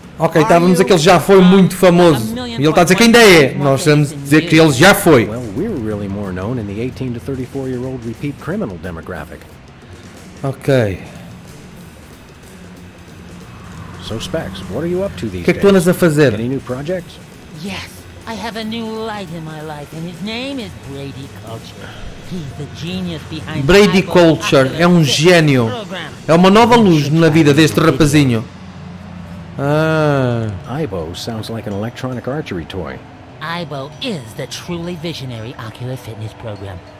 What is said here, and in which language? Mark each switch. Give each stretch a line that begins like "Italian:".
Portuguese: Ok, estávamos a que ele já foi muito famoso. E ele está a dizer que ainda é. Nós estamos a dizer que ele já foi.
English: Well, we're really more known in the 18 to 34 year old repeat criminal demographic. Ok. So Specs, what are you up to these
Portuguese: days? O que é que tu andas a fazer?
English: Any new projects? Yes, I have a new light in my life and his name is Brady Culture. He's the genius behind
Portuguese: Brady Culture é gênio. É uma nova luz na vida deste rapazinho.
English: Ibo sounds like an electronic archery toy. Ibo is the truly visionary ocular fitness program.